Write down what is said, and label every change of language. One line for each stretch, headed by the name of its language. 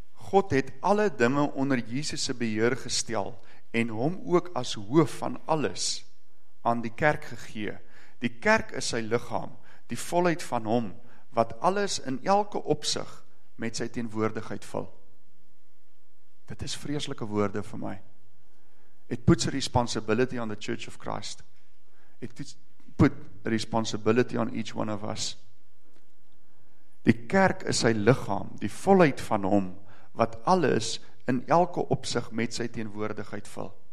Afrikaans: God het alle dinge onder Jesus' beheer gestel en hom ook as hoof van alles aan die kerk gegee. Die kerk is sy lichaam, die volheid van hom, wat alles in elke opsig met sy teenwoordigheid vul. Dit is vreeslike woorde vir my.
English: It puts a responsibility on the Church of Christ. It put a responsibility on each one of us.
Afrikaans: Die kerk is sy lichaam, die volheid van hom, wat alles in elke opsig met sy teenwoordigheid vul.